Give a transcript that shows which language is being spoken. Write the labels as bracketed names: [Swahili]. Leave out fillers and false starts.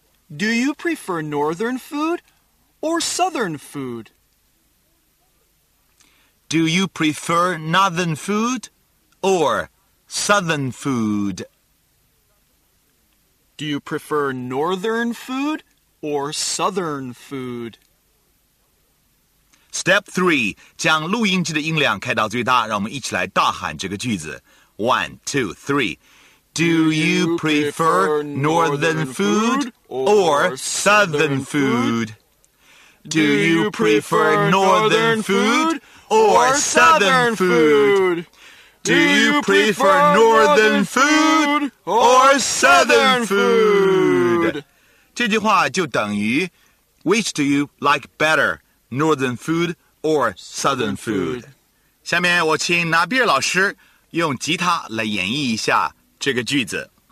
[English] Do you prefer northern food or southern food? Do you prefer northern food or southern food? Do you prefer northern food or southern food? Step 3, [Chinese] 将录音机的音量开到最大,让我们一起来大喊这个句子。 [English] One, two, three. Do you prefer northern food or southern food? Do you prefer northern food or southern food? Do you prefer northern food or southern food? [Chinese] 这句话就等于 [English] Which do you like better, northern food or southern food? [Chinese] 下面我请纳比尔老师用吉他来演绎一下这个句子。